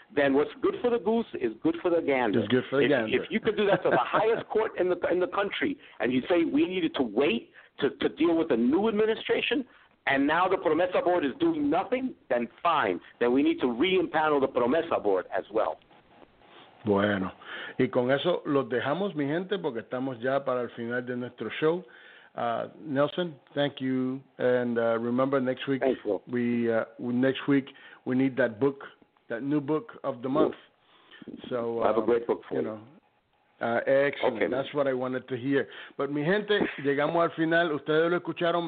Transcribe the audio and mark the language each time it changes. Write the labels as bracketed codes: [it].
[en] Then what's good for the goose is good for the gander. It's good for the gander. If you could do that to the highest court in the country, and you say we needed to wait to deal with the new administration, and now the Promesa Board is doing nothing, then fine. Then we need to re-impanel the Promesa Board as well. [es] Bueno. Y con eso los dejamos, mi gente, porque estamos ya para el final de nuestro show. [en] Nelson, thank you. And remember, next week, we need that book, that new book of the month. So I have a great book for you. Excellent. Okay, that's what I wanted to hear. But [es] mi gente, llegamos al final. Ustedes lo escucharon.